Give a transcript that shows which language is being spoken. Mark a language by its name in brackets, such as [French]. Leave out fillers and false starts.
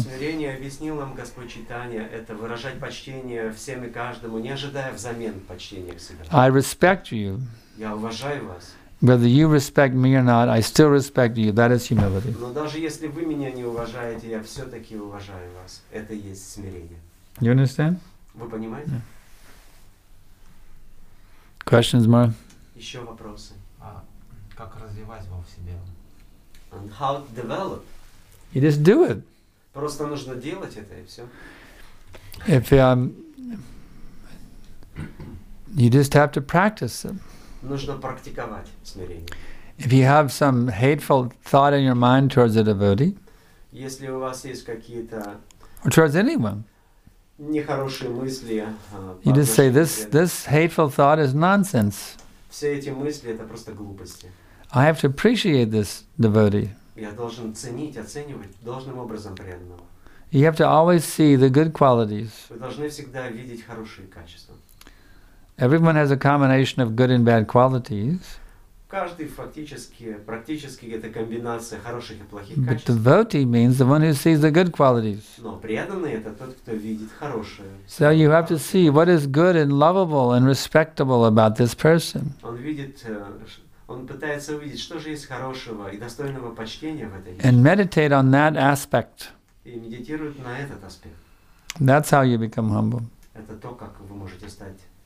[Russian] Смирение объяснил нам Господь Читания, это выражать почтение всем и каждому, не ожидая взамен почтения к себе. [English] I respect you. [Russian] Я уважаю вас. [English] Whether you respect me or not, I still respect you. That is humility. [Russian] Но даже если вы меня не уважаете, я все-таки уважаю вас. Это есть смирение. [English] You understand? [Russian] Вы понимаете? Yeah. [English] Questions more? [Russian] Еще вопросы. Как развивать его в себе? [English] And how to develop? You just do it. [Russian] Просто нужно делать это и все. [English] If you just have to practice it. [Russian] Нужно практиковать смирение. [English] If you have some hateful thought in your mind towards a devotee, [Russian] если у вас есть какие-то, [English] or towards anyone, [Russian] нехорошие мысли, [English] you just say this hateful thought is nonsense. [Russian] Все эти мысли это просто глупости. [English] I have to appreciate this devotee. [Russian] Я должен ценить, оценивать должным образом преданного. [English] You have to always see the good qualities. [Russian] Вы должны всегда видеть хорошие качества. [English] Everyone has a combination of good and bad qualities. [Russian] Каждый фактически, практически это комбинация хороших и плохих [English] but [Russian] качеств. [English] But devotee means the one who sees the good qualities. [Russian] Но преданный это тот, кто видит хорошее. [English] So you have to see what is good and lovable and respectable about this person. [Russian] Он видит, он пытается увидеть, что же есть хорошего и достойного почтения в этой жизни. [English] And meditate on that aspect. [Russian] И медитирует на этот аспект. [English] That's how you become humble. [Russian] Это то, как вы можете стать.